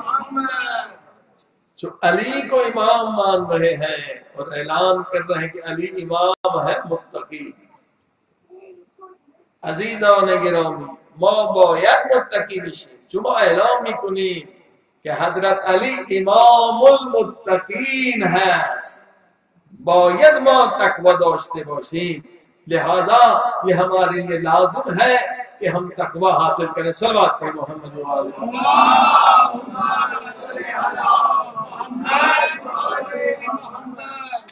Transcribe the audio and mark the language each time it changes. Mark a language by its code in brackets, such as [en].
[ur] جو علی کو امام مان رہے ہیں اور اعلان کر رہے ہیں کہ علی امام ہے متقی. [fa] عزیزان گرامی, ما باید متقی بشیم. شما اعلام میکنیم که حضرت علی امام المتقین هست, باید ما تقوی داشته باشیم. [ur] لہذا یہ ہمارے لیے لازم ہے کہ ہم تقوی حاصل کریں. صلوات پر محمد و آل محمد.